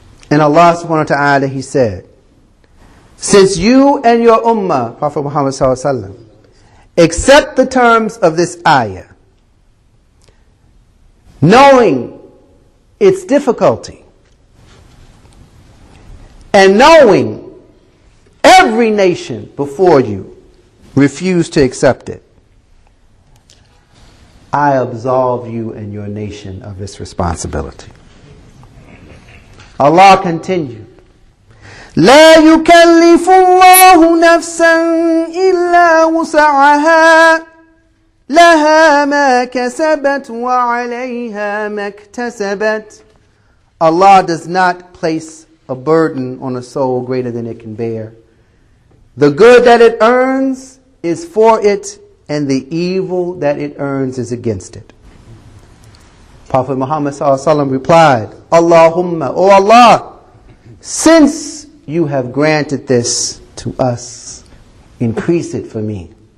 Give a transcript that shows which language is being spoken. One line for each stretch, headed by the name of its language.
English: And Allah subhanahu wa ta'ala, he said, since you and your ummah, Prophet Muhammad sallallahu alaihi wasallam, accept the terms of this ayah, knowing its difficulty, and knowing every nation before you refused to accept it, I absolve you and your nation of this responsibility. Allah continued,
Arabic: لا يكلف الله نفسا إلا وسعها لها ما كسبت وعليها ما اكتسبت.
English: Allah does not place a burden on a soul greater than it can bear. The good that it earns is for it, and the evil that it earns is against it. Prophet Muhammad sallallahu alaihi wasallam replied, Allahumma, O Allah, since you have granted this to us, increase it for me.